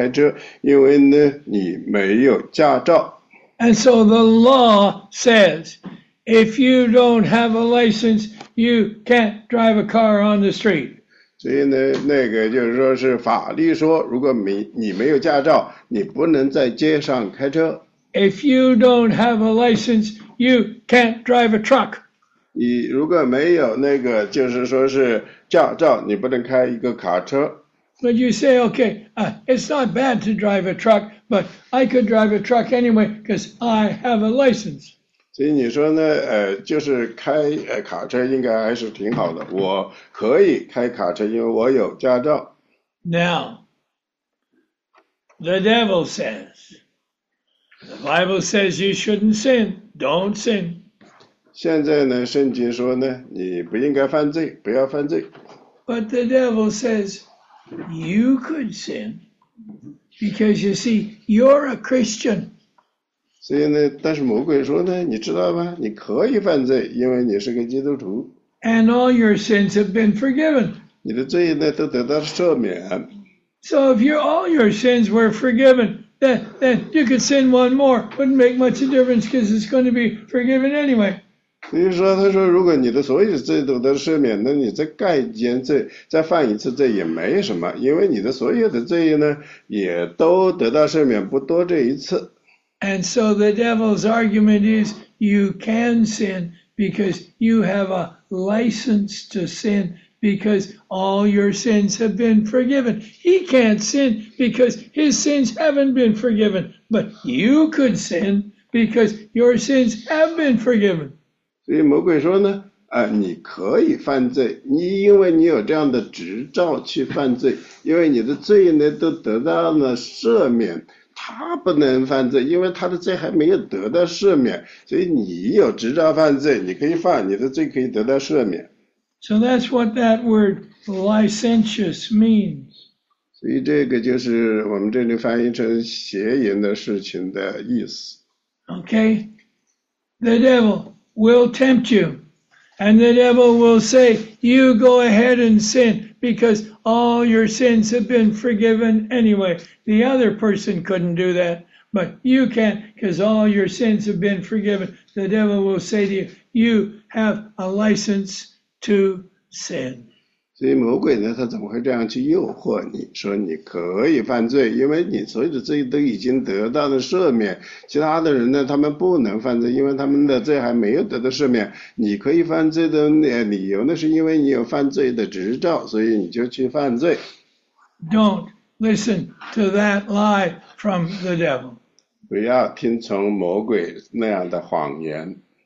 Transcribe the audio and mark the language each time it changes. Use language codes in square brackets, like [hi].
[zh] 就是说我想开车，我就跟你说，你不能开车，你也不允许被开车，因为呢，你没有驾照。 [en] And so the law says, if you don't have a license, you can't drive a car on the street. [zh] 所以呢，那个就是说是法律说，如果你没有驾照，你不能在街上开车。 [en] If you don't have a license, you can't drive a truck. [zh] 你如果没有那个就是说是驾照，你不能开一个卡车。 [en] But you say, okay, it's not bad to drive a truck, but I could drive a truck anyway because I have a license. [zh] 所以你说呢，就是开卡车应该还是挺好的。我可以开卡车，因为我有驾照。 [en] Now, the devil says, The Bible says you shouldn't sin. Don't sin. [zh] 现在呢，圣经说呢，你不应该犯罪，不要犯罪。 [en] But the devil says you could sin because you see you're a Christian. [zh] 所以呢，但是魔鬼说呢，你知道吗？你可以犯罪，因为你是个基督徒。 [en] And all your sins have been forgiven. [zh] 你的罪呢，都得到赦免。 [en] So if you all your sins were forgiven, then you could sin one more. Wouldn't make much a difference because it's going to be forgiven anyway. [zh] 所以说，他说，如果你的所有罪都得赦免，那你再干一件罪，再犯一次罪也没什么，因为你的所有的罪呢，也都得到赦免，不多这一次。 [en] And so the devil's argument is, you can sin because you have a license to sin. Because all your sins have been forgiven. He can't sin because his sins haven't been forgiven. But you could sin because your sins have been forgiven. [zh] 所以魔鬼说呢，你可以犯罪，你因为你有这样的执照去犯罪，因为你的罪呢都得到了赦免。他不能犯罪，因为他的罪还没有得到赦免。所以你有执照犯罪，你可以犯，你的罪可以得到赦免。 [en] So that's what that word licentious means. [zh] 所以这个就是我们这里翻译成邪淫的事情的意思。 [en] Okay, the devil will tempt you, and the devil will say, you go ahead and sin, because all your sins have been forgiven anyway. The other person couldn't do that, but you can, because all your sins have been forgiven. The devil will say to you, you have a license. To sin. [zh] 所以魔鬼呢，他怎么会这样去诱惑你，说你可以犯罪，因为你所有的罪都已经得到了赦免，其他的人呢，他们不能犯罪，因为他们的罪还没有得到赦免。你可以犯罪的理由呢，是因为你有犯罪的执照，所以你就去犯罪。 [en] Don't listen to that lie from the devil. [zh] 不要听从魔鬼那样的谎言。